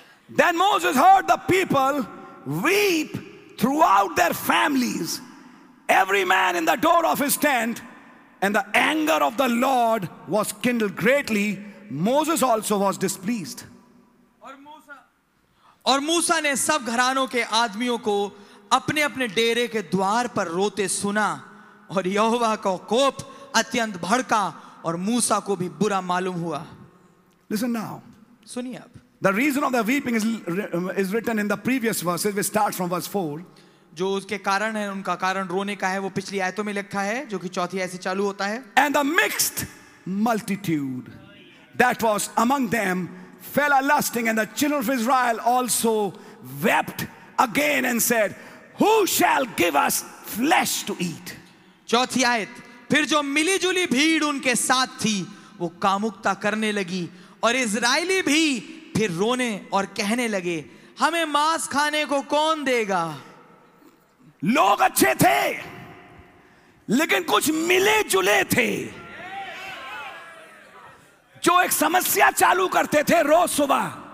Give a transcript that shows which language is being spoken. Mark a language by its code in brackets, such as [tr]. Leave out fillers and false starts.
[en] Then Moses heard the people weep throughout their families, every man in the door of his tent, and the anger of the Lord was kindled greatly. Moses also was displeased. [hi] और मूसा ने सब घरानों के आदमियों को अपने अपने डेरे के द्वार पर रोते सुना, और यहोवा का कोप अत्यंत भड़का, और मूसा को भी बुरा मालूम हुआ. [en] Listen now. [hi] सुनिए आप. [en] The reason of the weeping is written in the previous verses, which starts from verse 4. [hi] जो उसके कारण है, उनका कारण रोने का है, वो पिछली आयतों में लिखा है, जो कि चौथी आयत से चालू होता है. [en] And the mixed multitude that was among them fell a lusting, and the children of Israel also wept again and said, "Who shall give us flesh to eat?" [hi] चौथी आयत. फिर जो मिलीजुली भीड़ उनके साथ थी, वो कामुकता करने लगी, और इज़राइली भी फिर रोने और कहने लगे, हमें मांस खाने को कौन देगा? लोग अच्छे थे लेकिन कुछ मिले जुले थे, जो एक समस्या चालू करते थे रोज सुबह.